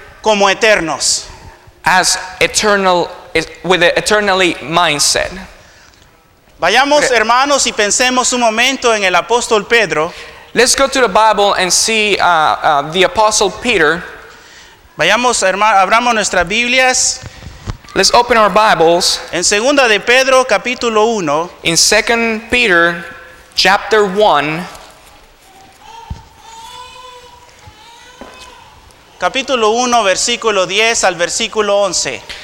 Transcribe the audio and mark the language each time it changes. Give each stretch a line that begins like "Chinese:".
Spanish: como eternos,
English: as eternal, with an eternally mindset.
Spanish: Vayamos, hermanos, y pensemos un momento en el apóstol Pedro.
English: Let's go to the Bible and see the Apostle Peter.
Spanish: Vayamos, hermano, abramos nuestras Biblias.
English: Let's open our Bibles.
Spanish: En Segunda de Pedro, capítulo 1.
English: In 2 Peter, chapter 1.
Spanish: Capítulo 1, versículo 10 al versículo 11.